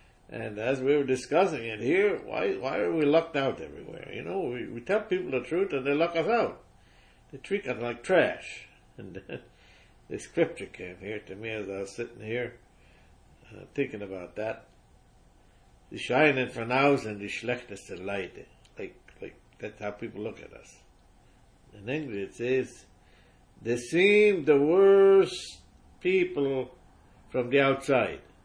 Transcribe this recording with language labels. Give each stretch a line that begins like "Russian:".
English: And as we were discussing it here, why are we locked out everywhere? You know, we tell people the truth and they lock us out. They treat us like trash. And then the scripture came here to me as I was sitting here thinking about that.
German: Die scheinen von außen die schlechteste Leute.
English: Like that's how people look at us. In English it says, they seem the worst people from the outside.